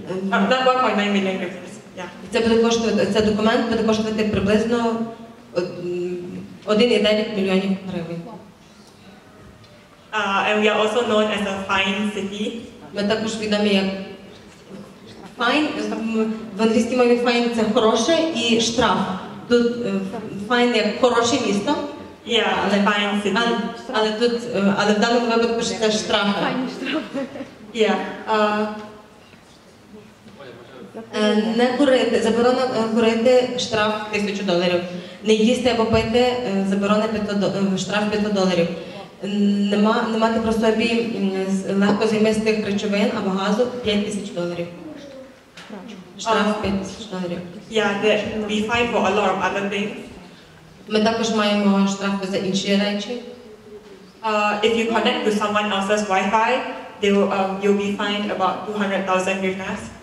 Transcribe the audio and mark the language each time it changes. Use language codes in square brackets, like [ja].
[en] Not 1.9 гривнас. [uk] Це документ буде коштувати приблизно 1,9 мільйонів гривень. [en] And we are also known as a fine city. [uk] Ми також відомі як fine. В англійській мові fine – це хороше і штраф. Тут fine – як хороше місто. [en] Yeah, [uk] але, [en] fine city. [uk] Але в даному випадку ще це штраф. [en] Fine [uk] штраф. [en] Yeah. [uk] Не курити. Заборона курити – штраф $1,000. Не їсти або пити – заборона штраф $500. Не мати про собі легкозаймистих речовин або газу – $5,000. Штраф – $5,000. [en] Yeah, we fine for a lot of other things. [uk] Ми також маємо штрафи за інші речі. [en] If you connect to someone else's Wi-Fi, you'll be fined about 200,000 гривнас.